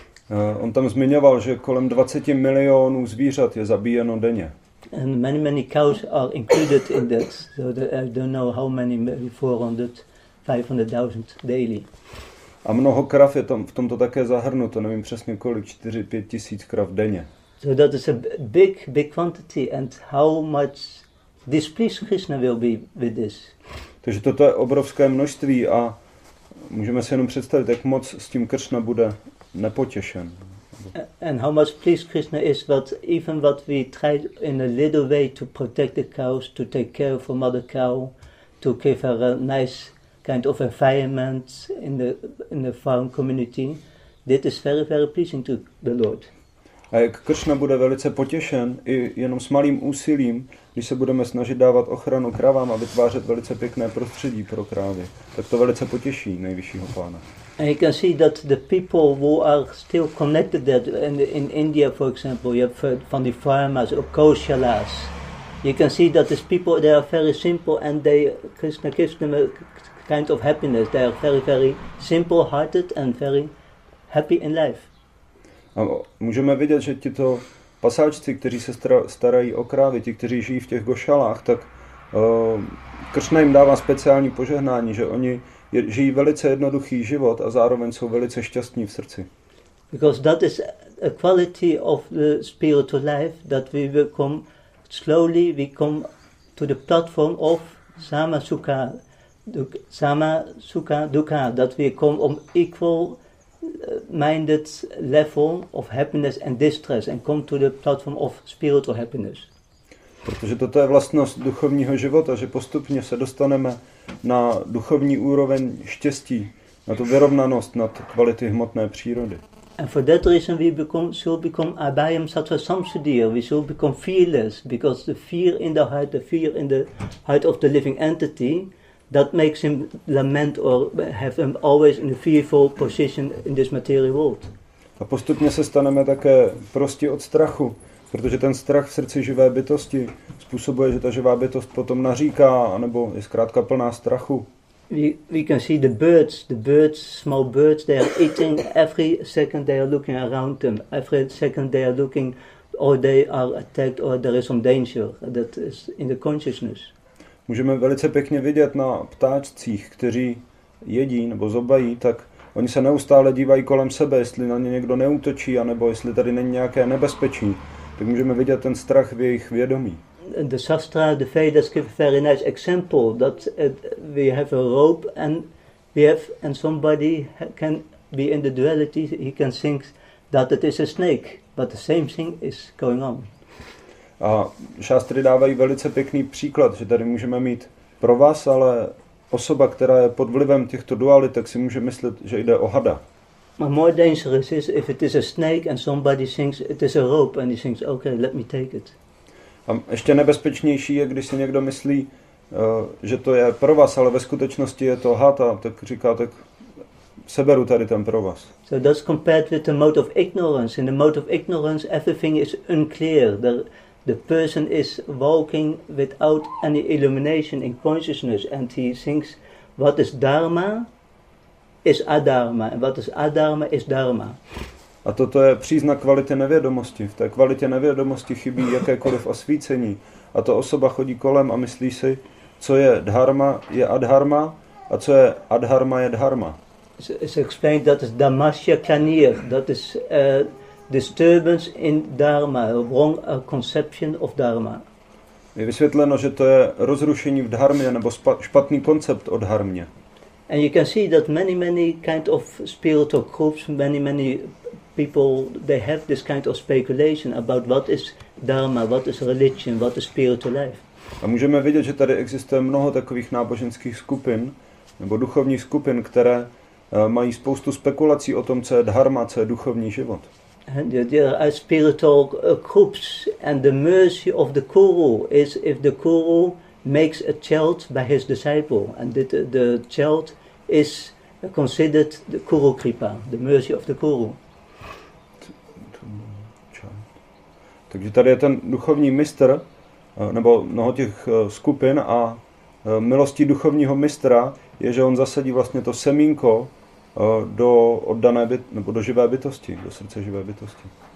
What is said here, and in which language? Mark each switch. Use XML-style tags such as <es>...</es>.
<cs>On tam zmiňoval, že kolem 20 milionů zvířat je zabíjeno denně.</cs> <en>And many, many cows are included in that. So I don't know how many, maybe 400,000, 500,000 daily.</en> <cs>A mnoho krav je tam v tomto také zahrnuto, nevím přesně kolik, 4-5 tisíc krav denně.</cs> <en>So that is a big, big quantity, and how much displeased Krishna will be with this.</en> <cs>Takže toto je obrovské množství a můžeme si jenom představit, jak moc s tím Krishna bude nepotěšen.</cs> <en>And how much pleased Krishna is that even what we try in a little way to protect the cows, to take care of mother cow, to give her a nice kind of environment in the farm community, that is very, very pleasing to the Lord.</en> <cs>A jak Krishna bude velice potěšen i jenom s malým úsilím, když se budeme snažit dávat ochranu kravám a vytvářet velice pěkné prostředí pro krávy, tak to velice potěší nejvyššího pána.</cs> <en>And you can see that the people who are still connected that in India, for example, you have from the farmers or Kaushalas. You can see that these people, they are very simple and Krishna gives them a kind of happiness. They are very, very simple-hearted and very happy in life.</en> <cs>A můžeme vidět, že tito pasáčci, kteří se starají o krávy, ti, kteří žijí v těch Gošalách, tak Krishna jim dává speciální požehnání, že oni žijí velice jednoduchý život a zároveň jsou velice šťastní v srdci.</cs> <en>Because that is a quality of the spiritual life that we become slowly we come to the platform of</en> <sa>sama sukha dukha,</sa> <en>that we come on equal minded level of happiness and distress and come to the platform of spiritual happiness.</en> <cs>Protože toto je vlastnost duchovního života, že postupně se dostaneme na duchovní úroveň štěstí, na tu vyrovnanost nad kvality hmotné přírody.</cs> <en>And for that reason we should become</en> <sa>abhayam sattva samsudhir.</sa> <en>We should become fearless, because the fear in the heart, the fear in the heart of the living entity, that makes him lament or have him always in a fearful position in this material world.</en> <cs>A postupně se staneme také prostí od strachu. Protože ten strach v srdci živé bytosti způsobuje, že ta živá bytost potom naříká, anebo je zkrátka plná strachu.</cs> <en>We can see the birds, small birds, they are eating every second, they are looking around them. Every second they are looking, or they are attacked, or there is some danger that is in the consciousness.</en> <cs>Můžeme velice pěkně vidět na ptáčcích, kteří jedí nebo zobají, tak oni se neustále dívají kolem sebe, jestli na ně někdo neútočí, anebo jestli tady není nějaké nebezpečí. Tak můžeme vidět ten strach v jejich vědomí.</cs> <en>The sastra, the Vedas give a very nice example that we have a rope and we have and somebody can be in the duality, he can think that it is a snake. But the same thing is going on.</en> <cs>A šástry dávají velice pěkný příklad, že tady můžeme mít pro vás, ale osoba, která je pod vlivem těchto dualit, tak si může myslet, že jde o hada.</cs> <en>A more dangerous is if it is a snake and somebody thinks it is a rope and he thinks, okay, let me take it.</en> <cs>A ještě nebezpečnější je, když si někdo myslí, že to je pro vás, ale ve skutečnosti je to had, tak říká, tak seberu tady ten pro vás.</cs> <en>So that's compared with the mode of ignorance. In the mode of ignorance, everything is unclear. The person is walking without any illumination in consciousness and he thinks, what is dharma is adharma and what is adharma is dharma.</en> <cs>A toto je příznak kvality nevědomosti. V té kvalitě nevědomosti chybí jakékoliv osvícení. A to osoba chodí kolem a myslí si, co je dharma, je adharma, a co je adharma, je dharma.</cs> <en>It's explained that is</en> <sa>dhammasya kanir,</sa> <en>that is disturbance in dharma, wrong conception of dharma.</en> <cs>Je vysvětleno, že to je rozrušení v dharmě, nebo špatný koncept o dharmě.</cs> <en>And you can see that many kind of spiritual groups, many people, they have this kind of speculation about what is dharma, what is religion, what is spiritual life.</en> <cs>A můžeme vidět, že tady existuje mnoho takových náboženských skupin nebo duchovních skupin, které mají spoustu spekulací o tom, co je dharma, co je duchovní život.</cs> <en>And there are spiritual groups and the mercy of the guru is if the guru makes a child by his disciple and the child is considered the guru kripa, the mercy of the guru.</en> <cs>Takže tady je ten duchovní mistr nebo mnoho těch skupin a milostí duchovního mistra je, že on zasadí vlastně to semínko do oddané nebo do živé bytosti, do srdce živé bytosti.</cs>